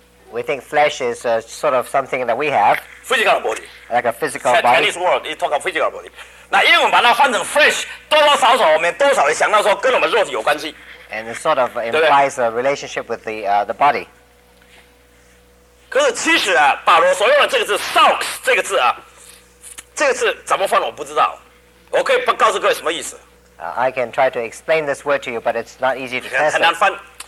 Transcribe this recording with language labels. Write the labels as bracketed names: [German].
[English] We think flesh is a sort of something that we have. Physical body. Like a physical body. Chinese word, you talk about physical body. [Chinese] 那英文把它翻成 flesh, 多多少少我们多少会想到说跟我们肉体有关系。 [English] And it sort of implies a relationship with the body. [Chinese] 可是其实啊，保罗所用的这个字 sox 这个字啊，这个字怎么翻我不知道，我可以告诉各位什么意思。 [English] I can try to explain this word to you, but it's not easy to translate.